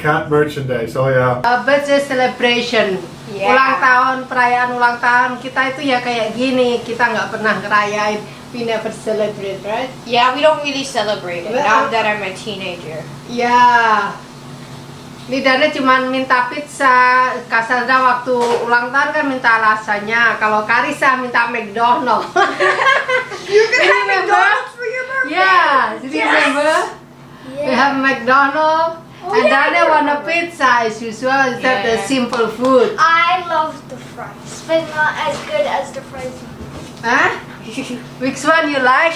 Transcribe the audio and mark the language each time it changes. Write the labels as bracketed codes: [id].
[en] cat merchandise. Oh, yeah. A birthday celebration. Yeah. [id] Ulang tahun, perayaan ulang tahun. Kita itu ya kayak gini. Kita nggak pernah ngerayain. [en] We never celebrate, right? Yeah, we don't really celebrate. But, now that I'm a teenager. [id] Yeah. Lidahnya cuma minta pizza. Cassandra waktu ulang tahun kan minta rasanya. Kalau Carissa minta McDonald's. [en] You can have McDonald's for your birthday? Yeah, do you remember? Yeah. We have McDonald's. Oh, and yeah, Daniel want a pizza as usual, is that the simple food? I love the fries, but not as good as the fries. Huh? Which one you like?